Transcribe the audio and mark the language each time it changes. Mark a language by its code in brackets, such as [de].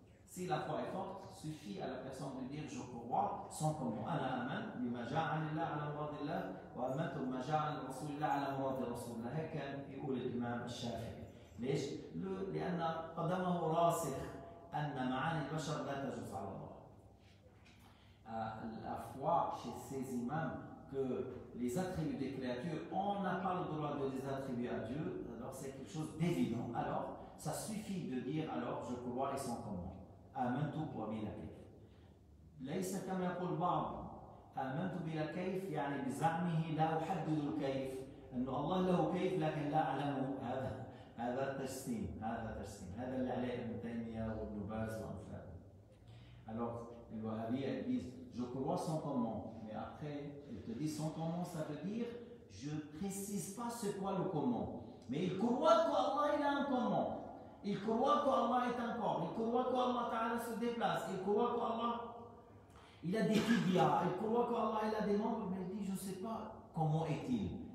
[fr] Si la foi est forte, suffit à la personne de dire je crois sans comment. [ar] Ana aman bima ja'a Allah 'ala muradillah wa amantu bima ja'a Rasulullah 'ala muradirrasulillah. Haka yaqul al-Imam al-Shafi'i. ليش؟ لأن قدمه راسخ أن معاني البشر لا تجوز على الله. [fr] La foi chez ces imams que les attributs des créatures, on n'a pas le droit de les attribuer à Dieu, alors c'est quelque chose d'évident. Alors ça suffit de dire alors je crois et sans comment. [ar] آمنت وبلا كيف. ليس كما يقول بعض، آمنت بلا كيف يعني بزعمه لا أحدد الكيف، أنه الله له كيف لكن لا أعلمه. هذا تجسيم، هذا اللي عليه ابن تيمية وابن باز وأمثاله. [fr] Alors الوهابية disent je crois sans comment، mais après il te dit sans comment ça veut dire je précise pas ce quoi le comment، mais il croit que Allah il a un comment. Il croit que Allah est un corps, il croit que Allah Ta'ala se déplace, il croit que Allah il a des tibias, il croit que Allah il a des membres, mais il dit je ne sais pas comment est-il.